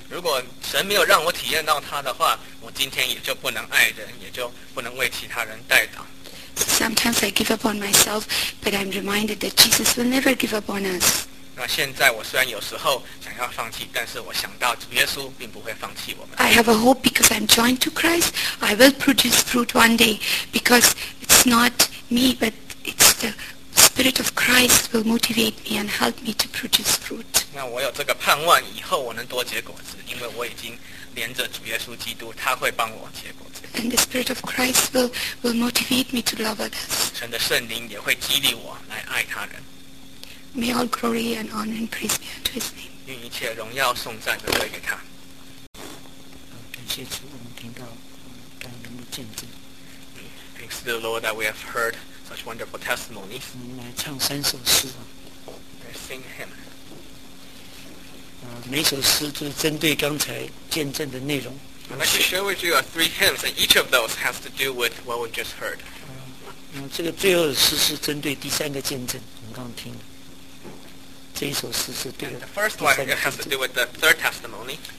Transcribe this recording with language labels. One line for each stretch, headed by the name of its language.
Chinese: 如果神没有让我体验到他的话，我今天也就不能爱人，也就不能为其他人代祷。
English: Sometimes I give up on myself, but I'm reminded that Jesus will never give up on us.
Chinese: 那现在我虽然有时候想要放弃，但是我想到主耶稣并不会放弃我们。
English: I have a hope because I'm joined to Christ. I will produce fruit one day because it's not me, but it's the Spirit of Christ will motivate me and help me to produce fruit.
Chinese: 那我有这个盼望，以后我能多结果子，因为我已经连着主耶稣基督，他会帮我结果子。
English: And the Spirit of Christ will motivate me to love others.
Chinese: 神的圣灵也会激励我来爱他人。
English: May all glory and honor and praise be unto his name.
Chinese: 愿一切荣耀颂赞都归给他。感谢主，我们听到感人的见证。
English: Thanks to the Lord that we have heard such wonderful testimonies.
Chinese: 我们来唱三首诗吧。
English: Let's sing a hymn.
Chinese: 每首诗就是针对刚才见证的内容。
English: I'd like to share with you three hymns, and each of those has to do with what we just heard.
Chinese: 这个最后的诗是针对第三个见证，我们刚刚听的。这一首诗是对
English: 的。The first one has to do with the third testimony.